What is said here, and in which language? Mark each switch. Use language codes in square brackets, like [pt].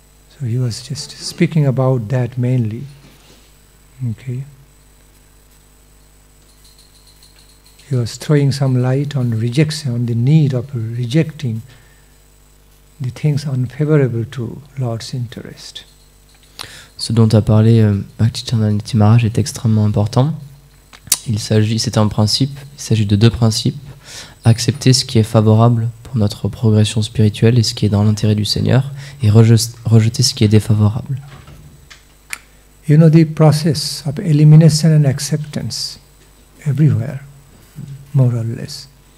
[en] So he was just speaking about that mainly. Okay. He was throwing some light on rejection, on the need of rejecting the things unfavorable to Lord's interest. [fr] Ce dont a parlé Bhakti Chandanati Maharaj est extrêmement important. Il s'agit de deux principes. Accepter ce qui est favorable pour notre progression spirituelle et ce qui est dans l'intérêt du Seigneur, et rejeter ce qui est défavorable. [en] You know the process of elimination and acceptance everywhere, more or less.